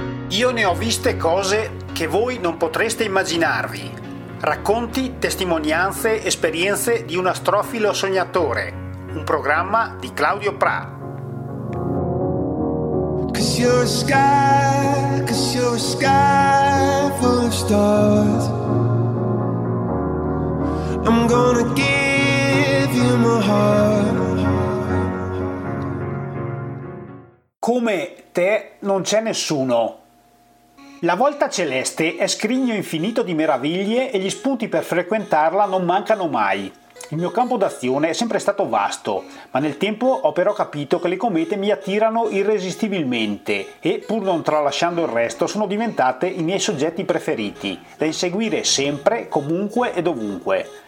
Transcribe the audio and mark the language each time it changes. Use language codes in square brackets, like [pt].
[it] Io ne ho viste cose che voi non potreste immaginarvi. Racconti, testimonianze, esperienze di un astrofilo sognatore. Un programma di Claudio Pra. [en] Cause you're a sky, cause you're a sky full of stars. I'm gonna give you my heart. [it] Come te non c'è nessuno. La volta celeste è scrigno infinito di meraviglie e gli spunti per frequentarla non mancano mai. Il mio campo d'azione è sempre stato vasto, ma nel tempo ho però capito che le comete mi attirano irresistibilmente e, pur non tralasciando il resto, sono diventate i miei soggetti preferiti, da inseguire sempre, comunque e dovunque.